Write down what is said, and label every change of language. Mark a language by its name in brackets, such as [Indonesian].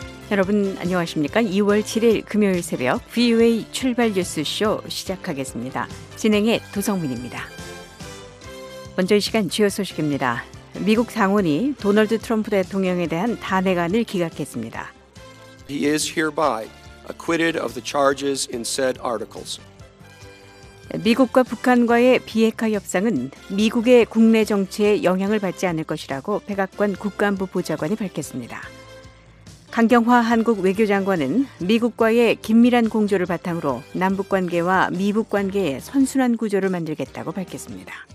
[Korean] 여러분 안녕하십니까? 2월 7일 금요일 새벽 VOA 출발 뉴스 쇼 시작하겠습니다. 진행의 도성민입니다. 먼저 이 시간 주요 소식입니다. 미국 상원이 도널드 트럼프 대통령에 대한 탄핵안을 기각했습니다. [English] He is hereby acquitted of the charges in said articles. [Korean] 미국과 북한과의 비핵화 협상은 미국의 국내 정치에 영향을 받지 않을 것이라고 백악관 국가안보 보좌관이 밝혔습니다. 강경화 한국 외교장관은 미국과의 긴밀한 공조를 바탕으로 남북관계와 미북관계의 선순환 구조를 만들겠다고 밝혔습니다.